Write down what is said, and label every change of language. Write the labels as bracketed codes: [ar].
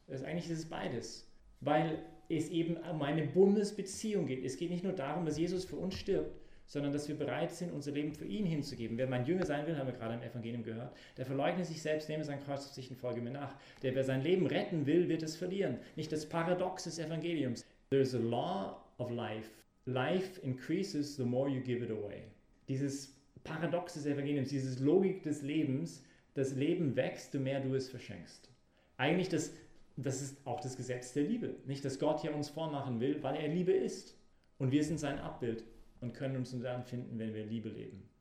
[de] Eigentlich ist es beides, weil es eben um eine Bundesbeziehung geht. Es geht nicht nur darum, dass Jesus für uns stirbt, sondern dass wir bereit sind, unser Leben für ihn hinzugeben. Wer mein Jünger sein will, haben wir gerade im Evangelium gehört, der verleugne sich selbst, nehme sein Kreuz auf sich und folge mir nach. Der, wer sein Leben retten will, wird es verlieren. Nicht das Paradox des Evangeliums. [en] There is a law of life. Life increases the more you give it away. [de] Dieses Paradox des Evangeliums, diese Logik des Lebens, das Leben wächst, je mehr du es verschenkst. Eigentlich das ist auch das Gesetz der Liebe. Nicht, dass Gott hier uns vormachen will, weil er Liebe ist. Und wir sind sein Abbild und können uns nur dann finden, wenn wir Liebe leben.